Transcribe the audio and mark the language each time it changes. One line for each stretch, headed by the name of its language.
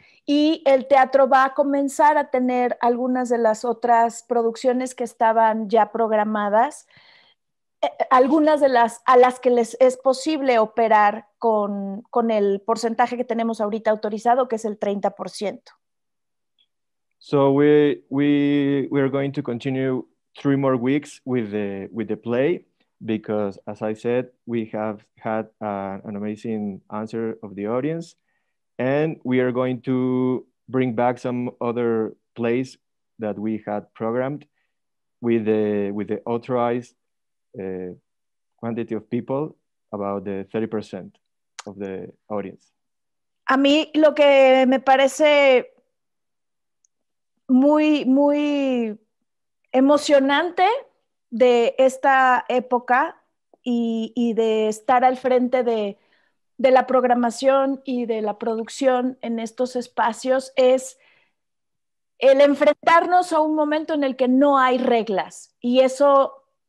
Spanish: Y el teatro va a comenzar a tener algunas de las otras producciones que estaban ya programadas, algunas de las a las que les es posible operar con el porcentaje que tenemos ahorita autorizado, que es el 30%.
English: So we are going to continue 3 more weeks with the play, because as I said, we have had an amazing answer of the audience. And we are going to bring back some other plays that we had programmed with the authorized quantity of people, about the 30% of the audience.
Spanish: A mí lo que me parece muy, muy emocionante de esta época, y de estar al frente de la programación y de la producción en estos espacios es el enfrentarnos a un momento en el que no hay reglas, y eso